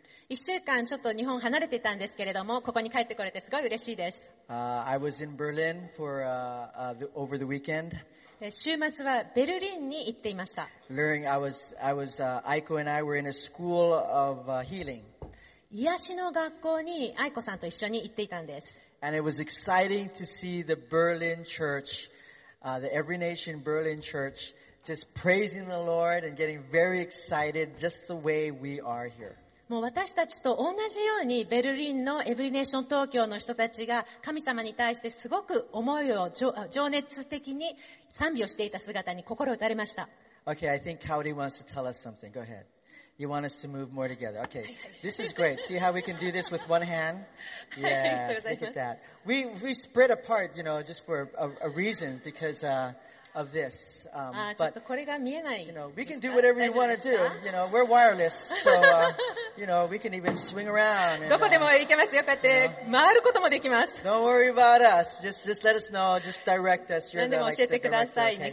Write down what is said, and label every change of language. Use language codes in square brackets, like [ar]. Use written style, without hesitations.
[ja] 1週間ちょっと日本離れていたんですけれども、ここに帰ってこれてすごい嬉しいです。 [en] I was in Berlin for over the weekend. [ja] 週末はベルリンに行っていました。 [en] Learning, I was Aiko and I were in a school of healing. [ja] 癒しの学校に愛子さんと一緒に行っていたんです。 [en] And it was exciting to see the Berlin Church, the Every Nation Berlin Church, just praising the Lord and getting very excited just the way we are here. [ja] もう私たちと同じようにベルリンのエブリネーション東京の人たちが神様に対してすごく思いを情熱的に賛美をしていた姿に心打たれました。 [en] Okay, I think Kaori wants to tell us something. Go ahead. You want us to move more together. Okay. This is great. See how we can do this with one hand? Yeah. Look at that. We spread apart, you know, just for a reason because of this. But, you know, we can do whatever you want to do. You know, we're wireless. So, you know, we can even swing around. [ja] どこでも行けますよ。こうやって回ることもできます。 [en] Don't worry about us. Just let us know. Just direct us. You're the, like, [ja] 何でも教えてください。